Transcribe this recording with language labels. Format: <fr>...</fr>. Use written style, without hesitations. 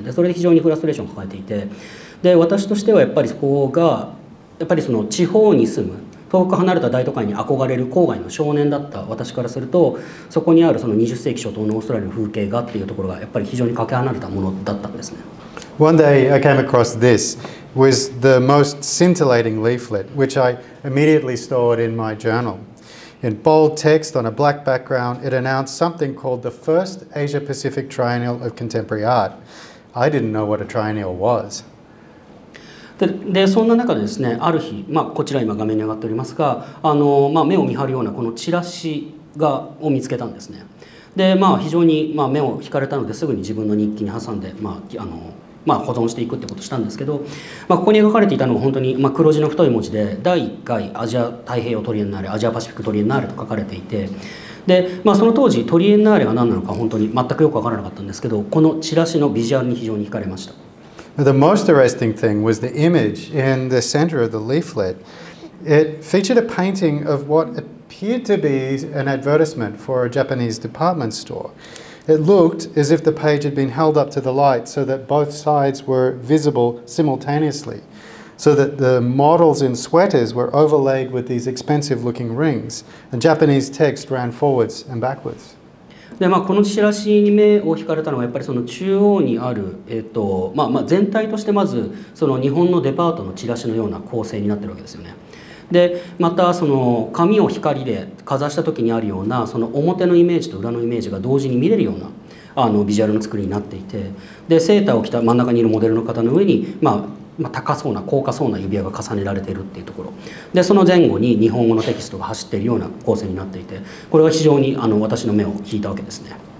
<ja>でそれで非常にフラストレーションを抱えていて、で私としてはやっぱりそこがやっぱりその地方に住む遠く離れた大都会に憧れる郊外の少年だった私からすると、そこにあるその20世紀初頭のオーストラリアの風景画っていうところがやっぱり非常にかけ離れたものだったんですね。</ja> <en>One day I came across this was the most scintillating leaflet, which I immediately stored in my journal. In bold text on a black background, it announced something called the First Asia-Pacific Triennial of Contemporary Art. I didn't know what a triennial was.</en> <ja>で、そんな中でですね、ある日、こちら今画面に上がっておりますが、目を見張るようなこのチラシがを見つけたんですね。で、非常に目を引かれたので、すぐに自分の日記に挟んで、保存していくってことをしたんですけど、ここに書かれていたのは本当に黒字の太い文字で第1回アジア太平洋トリエンナーレ、アジアパシフィックトリエンナーレと書かれていて、で、その当時トリエンナーレが何なのか本当に全くよく分からなかったんですけど、このチラシのビジュアルに非常に惹かれました。</ja> <en>The most interesting thing was the image in the center of the leaflet. It featured a painting of what appeared to be an advertisement for a Japanese department storeIt looked as if the page had been held up to the light so that both sides were visible simultaneously, so that the models in sweaters were overlaid with these expensive looking rings, and Japanese text ran forwards and backwards.</en> <ja>で、このチラシに目を引かれたのはやっぱりその中央にある、全体としてまずその日本のデパートのチラシのような構成になってるわけですよね。でまたその紙を光でかざした時にあるようなその表のイメージと裏のイメージが同時に見れるようなビジュアルの作りになっていて、でセーターを着た真ん中にいるモデルの方の上に、高そうな高価そうな指輪が重ねられているっていうところで、その前後に日本語のテキストが走っているような構成になっていて、これは非常に私の目を引いたわけですね。</ja>